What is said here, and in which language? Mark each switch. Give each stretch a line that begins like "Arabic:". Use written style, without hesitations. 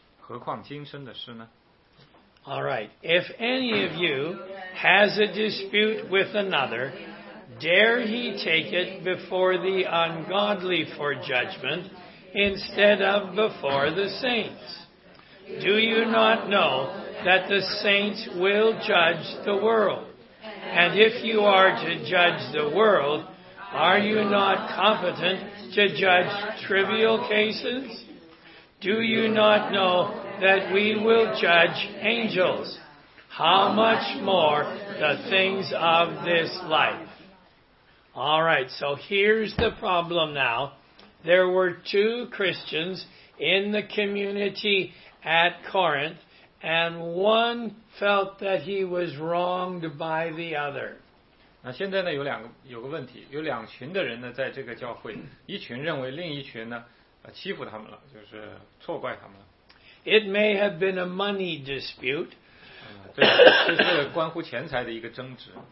Chinese: 何况今生的事呢？
English: All right. If any of you has a dispute with another, dare he take it before the ungodly for judgment instead of before the saints? Do you not know that the saints will judge the world? And if you are to judge the world, are you not competent to judge trivial cases? Do you not know that we will judge angels? How much more the things of this life? All right, so here's the problem now. There were two Christians in the community at Corinth, and one felt that he was wronged by the other.
Chinese: 那现在呢，有个问题，有两群的人呢，在这个教会，一群认为另一群呢，欺负他们了，就是错怪他们了。
English: It may have been a money dispute.
Chinese: 这是关乎钱财的一个争执。